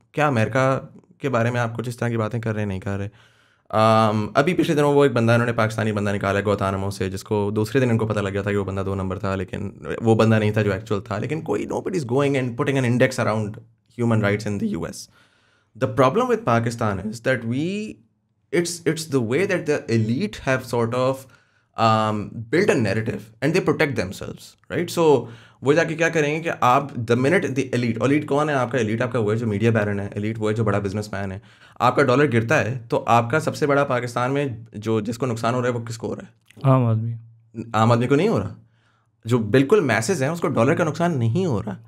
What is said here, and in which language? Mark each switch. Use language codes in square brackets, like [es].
[ur] کیا امریکہ کے بارے میں آپ کچھ اس طرح کی باتیں کر رہے ہیں, نہیں کر رہے. ابھی پچھلے دنوں وہ ایک بندہ, انہوں نے پاکستانی بندہ نکالا ہے گوانتانامو سے, جس کو دوسرے دن ان کو پتہ لگ گیا تھا کہ وہ بندہ دو نمبر تھا, لیکن وہ بندہ نہیں تھا جو ایکچوئل تھا. لیکن کوئی, [en] Nobody is going and putting an index around human rights in the US. The problem with Pakistan is that it's the way that the elite have sort of built a narrative and they protect themselves, right? [ur] So وہ جا کے کیا کریں گے کہ آپ [en] the minute the elite, [ur] elite کون ہے آپ کا؟ ایلیٹ آپ کا وہ ہے جو میڈیا بیرن ہے, ایلیٹ وہ ہے جو بڑا بزنس مین ہے. آپ کا ڈالر گرتا ہے تو آپ کا سب سے بڑا پاکستان میں جو جس کو نقصان ہو رہا ہے وہ کس کو ہو رہا ہے؟ عام آدمی کو نہیں ہو رہا. جو بالکل میسز ہیں اس کو ڈالر کا نقصان نہیں ہو رہا.